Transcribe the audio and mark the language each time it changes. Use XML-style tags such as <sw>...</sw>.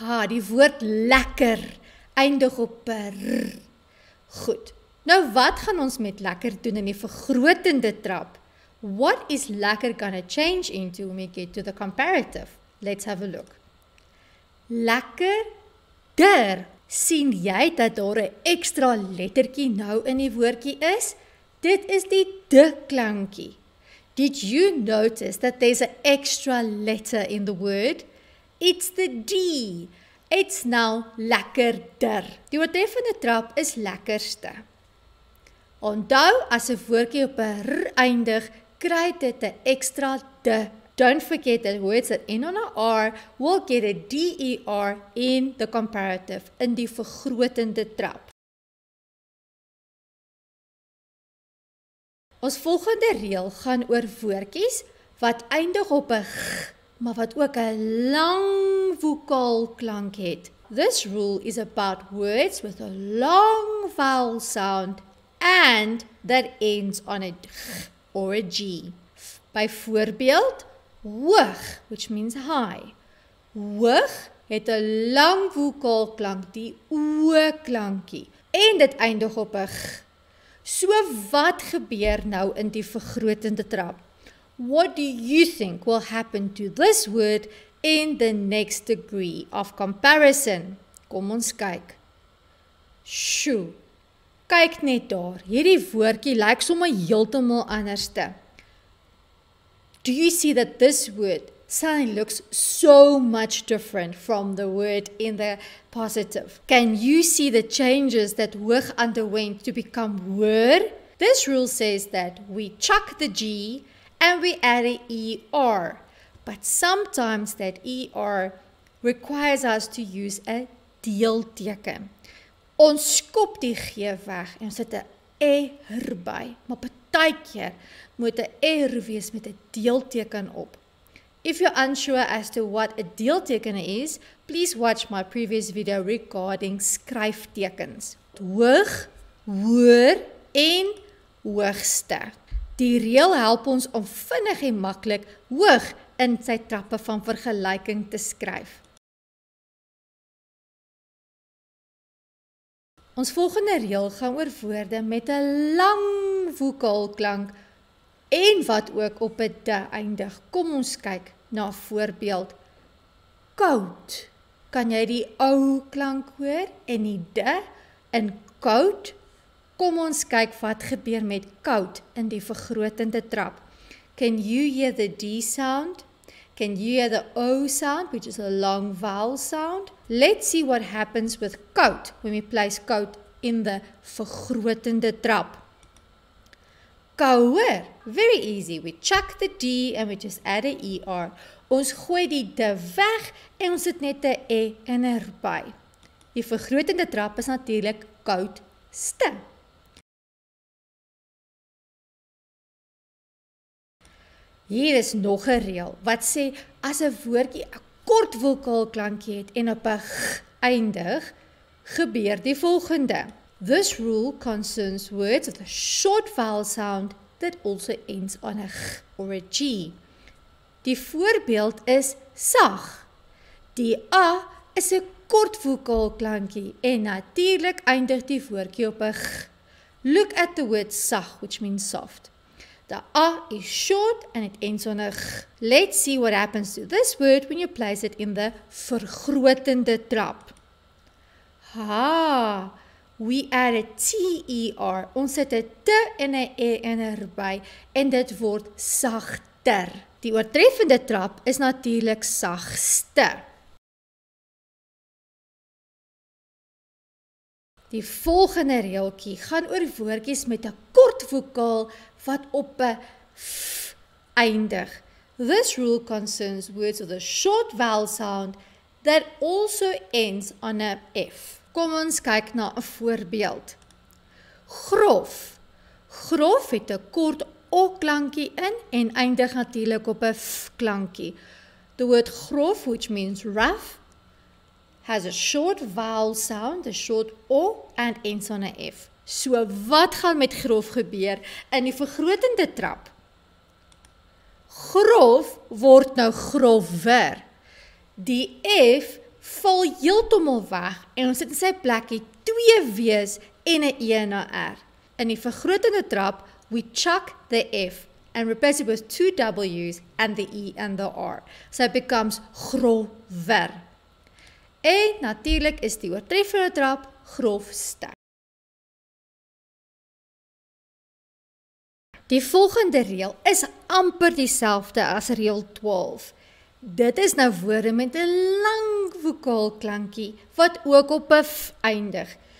<af>Die woord lekker eindig op r. Goed. Nou wat gaan ons met lekker doen in die vergrotende trap?</af> <en>What is lekker gonna change into when we get to the comparative? Let's have a look. Lekkerder.</en> <af>Sien jy dat daar 'n ekstra lettertjie nou in die woordjie is? Dit is die d klankie.</af> <en>Did you notice that there's an extra letter in the word? It's the D. It's now lekkerder.</en> <af>Die oortreffende trap is lekkerste. Onthou, as 'n woordjie op 'n r eindig, kry dit 'n extra d.</af> <en>Don't forget that words that end on a r will get a der in the comparative,</en> <af>in die vergrotende trap. Ons volgende reël gaan oor woordjies wat eindig op 'n g, maar wat ook 'n lang vokaal klank het.</af> <en>This rule is about words with a long vowel sound and that ends on a g or a g.</en> <af>Byvoorbeeld,</af> <en>hoog, which means high.</en> <af>Hoog het 'n lang vokaal klank, die o klankie, en dit eindig op 'n g. So wat gebeur nou in die vergrotende trap?</af> <en>What do you think will happen to this word in the next degree of comparison?</en> <af>Kom ons kyk. Shoo. Kyk net daar. Hierdie woordjie lyk sommer heeltemal anders te.</af> <en>Do you see that this word sound looks so much different from the word in the positive. Can you see the changes that wig underwent to become wer? This rule says that we chuck the G and we add an ER, but sometimes that ER requires us to use a deelteken.</en> <af>Ons skop die G weg en sit 'n R by, maar partykeer moet 'n R wees met 'n deelteken op.</af> <en>If you're unsure as to what a deelteken is, please watch my previous video regarding skryftekens.</en> <af>Hoog, hoër en hoogste. Die reël help ons om vinnig en maklik hoog in sy trappe van vergelyking te skryf. Ons volgende reël gaan oor woorde met 'n lang vokaalklank en wat ook op 'n d eindig. Kom ons kyk na voorbeeld. Koud. Kan jy die ou klank hoor en die d in koud? Kom ons kyk wat gebeur met koud in die vergrotende trap.</af> <en>Can you hear the d sound? Can you hear the O sound, which is a long vowel sound? Let's see what happens with coat when we place coat in the vergrotende trap. Kouer. Very easy. We chuck the D and we just add a ER.</en> <af>Ons gooi die D weg en ons het net a E en a R by. Die vergrotende trap is natuurlijk koud ste. Hier is nog 'n reël wat sê as 'n woordjie 'n kort vokaalklankie het en op 'n g eindig, gebeur die volgende.</af> <en>This rule concerns words with a short vowel sound that also ends on a g or a g.</en> <af>Die voorbeeld is sag. Die a is 'n kort vokaalklankie en natuurlik eindig die woordjie op 'n g.</af> <en>Look at the word sag, which means soft. The A is short and it ends on a G. Let's see what happens to this word when you place it in the vergrotende trap. Ha! We add a T-E-R.</en> <af>Ons sit a T en a E en a R by en dit word sagter. Die oortreffende trap is natuurlik sagste. Die volgende reeltjie gaan oor woordjies met 'n kort vokaal wat op 'n f eindig.</af> <en>This rule concerns words with a short vowel sound that also ends on a f.</en> <af>Kom ons kyk na 'n voorbeeld. Grof. Grof het 'n kort o klankie in en eindig natuurlik op 'n f klankie.</af> <en>The word grof, which means rough, has a short vowel sound, a short O, and ends on a F.</en> <af>So wat gaan met grof gebeur in die vergrotende trap? Grof word nou grover. Die F val heeltemal weg en ons het in sy plekkie twee W's en 'n E en 'n R. In die vergrotende trap,</af> <en>we chuck the F and replace it with two W's and the E and the R. So it becomes grover.</en> <af>En natuurlik is die oortreffende trap grofste. Die volgende reël is amper dieselfde as reël 12. Dit is nou woorde met 'n lang vokaalklankie wat ook op 'n f eindig.</af>